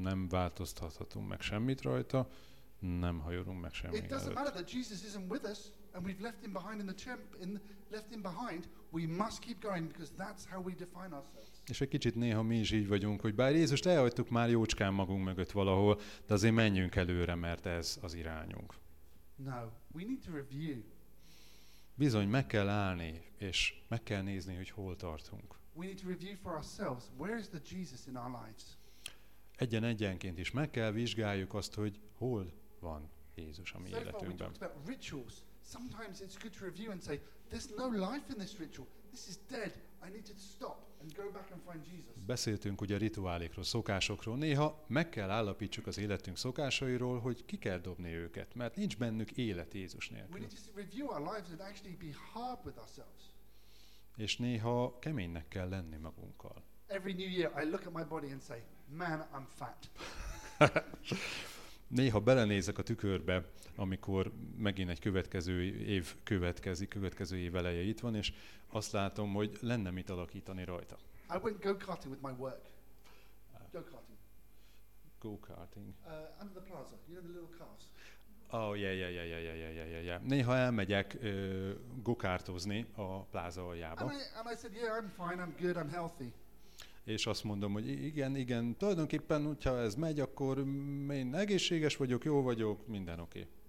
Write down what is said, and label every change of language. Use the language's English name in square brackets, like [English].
[Hungarian] Nem változtathatunk meg semmit rajta. Nem hajolunk meg semmi előtt. [English] It doesn't matter that Jesus isn't with us and we've left him behind in the left him behind. We must keep going because that's how we define ourselves. [Hungarian] És egy kicsit néha mi is így vagyunk, hogy bár Jézust elhagytuk már jócskán magunk mögött valahol, de azért menjünk előre, mert ez az irányunk. [English] No, we need to review. [Hungarian] Bizony meg kell állni és meg kell nézni, hogy hol tartunk. [English] We need to review for ourselves. Where is the Jesus in our lives? [Hungarian] Egyen-egyenként is meg kell vizsgáljuk azt, hogy hol van Jézus a mi életünkben. [English] So far we talked about rituals. Sometimes it's good to review and say, there's no life in this ritual. This is dead. I need to stop and go back and find Jesus. [Hungarian] Beszéltünk ugye rituálékról, szokásokról. Néha meg kell állapítsuk az életünk szokásairól, hogy ki kell dobni őket, mert nincs bennük élet Jézus nélkül. [English] We need to review our lives and actually be hard with ourselves. [Hungarian] És néha keménynek kell lenni magunkkal. [English] Every new year I look at my body and say, man, I'm fat. [Hungarian] Néha belenézek a tükörbe, amikor megint egy következő év következik, következő év eleje itt van, és azt látom, hogy lenne mit alakítani rajta. [English] I went go-karting with my work. Go-karting. Go-karting. Under the plaza, you know the little cars. Yeah. [Hungarian] Néha elmegyek go-kartozni a pláza aljába. [English] And I said, yeah, I'm fine, I'm good, I'm healthy. [Hungarian] És azt mondom, hogy igen, igen, tulajdonképpen, hogyha ez megy, akkor én egészséges vagyok, jó vagyok, minden oké.